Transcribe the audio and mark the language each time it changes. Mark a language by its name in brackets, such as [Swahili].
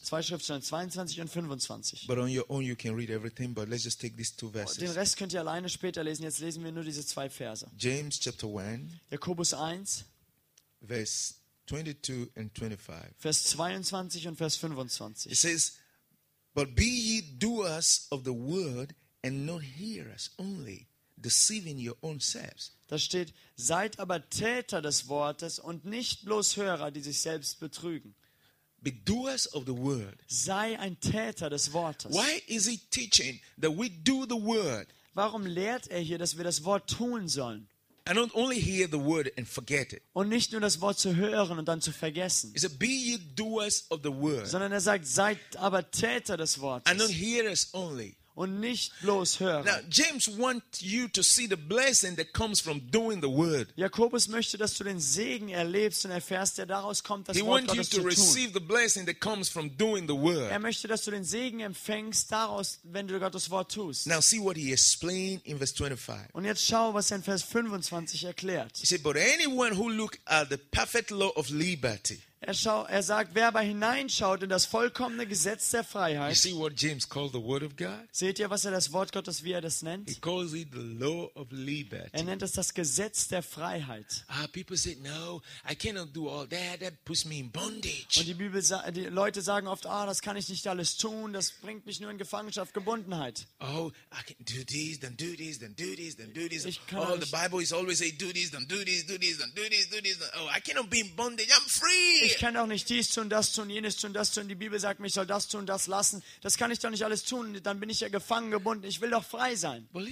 [German] Zwei Schriftstellen, 22 und 25. [English] But on your own you can read everything, but let's just take these two verses. [German] Den Rest könnt ihr alleine später lesen. Jetzt lesen wir nur diese zwei Verse. [English] James chapter 1. [German] Jakobus 1. [English] Verse 22 and 25. [German] Vers 22 und Vers 25. [English] It says, "But be ye doers of the word and not hearers only, deceiving your own selves." [German] Da steht, seid aber Täter des Wortes und nicht bloß Hörer, die sich selbst betrügen. [English] Be doers of the word. [German] Sei ein Täter des Wortes. [English] Why is he teaching that we do the word? [German] Warum lehrt er hier, dass wir das Wort tun sollen? [English] And not only hear the word and forget it. [German] Und nicht nur das Wort zu hören und dann zu vergessen. [English] He said, "Be ye doers of the word." [German] Sondern er sagt, seid aber Täter des Wortes. [English] And not hearers only. [German] Und nicht bloß hören. [English] Now James wants you to see the blessing that comes from doing the word. [German] Jakobus möchte, dass du den Segen erlebst und erfährst, der daraus kommt, das [English] He [German] Wort [English] wants [German] Gottes [English] you to [German] zu [English] receive [German] tun. [English] The blessing that comes from doing the word. [German] Er möchte, dass du den Segen empfängst daraus, wenn du Gottes Wort tust. [English] Now see what he explained in verse 25. [German] Und jetzt schau, was er in Vers 25 erklärt. [English] He said, "But anyone who look at the perfect law of liberty." [German] Er sagt, wer aber hineinschaut in das vollkommene Gesetz der Freiheit. [English] You see what James called the word of God? [German] Seht ihr, was er das Wort Gottes, wie er das nennt? [English] He calls it the law of liberty. [German] Er nennt es das Gesetz der Freiheit. [English] People say, "No, I cannot do all that. That puts me in bondage." [German] Und die Leute sagen oft, "Ah, das kann ich nicht alles tun. Das bringt mich nur in Gefangenschaft, Gebundenheit." [English] Oh, I can do this, then do this, then do this, then do this. Oh, the Bible is always say, "Do this, then do this, do this, then do this, do this." Oh, I cannot be in bondage. I'm free. [German] Ich kann doch nicht dies tun, das tun, jenes tun, das tun. Die Bibel sagt mir, ich soll das tun, das lassen. Das kann ich doch nicht alles tun. Dann bin ich ja gefangen, gebunden. Ich will doch frei sein.